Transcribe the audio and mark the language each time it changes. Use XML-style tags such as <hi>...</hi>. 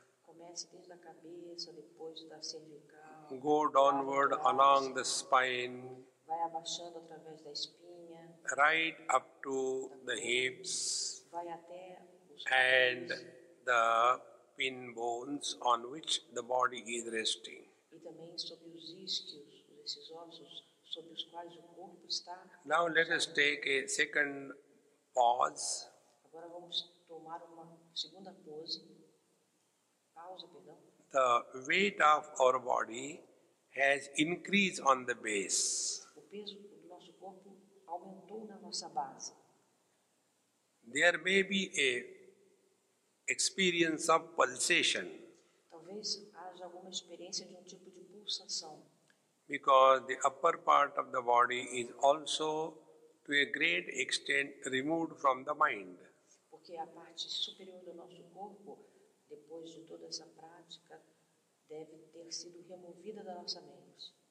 <pt>Comece desde a cabeça, depois da cervical.</pt> <en>Go downward along the spine.</en> <pt>Vai abaixando através da espinha.</pt> <en>Right up to the hips.</en> <pt>Vai até os</pt> <en>and the pin bones on which the body is resting.</en> <pt>E também sobre os isquios, esses ossos sobre os quais o corpo está.</pt> <en>Now let us take a second pause.</en> <pt>Agora vamos tomar uma segunda pose. Pausa, perdão.</pt> <en>The weight of our body has increased on the base.</en> <pt>O peso do nosso corpo aumentou na nossa base.</pt> <en>There may be a experience of pulsation.</en> <pt>Talvez haja alguma experiência de um tipo de pulsação.</pt> <en>Because the upper part of the body is also to a great extent removed from the mind.</en> <pt>Porque a parte superior do nosso corpo, depois de toda essa prática, deve ter sido removida da nossa mente.</pt>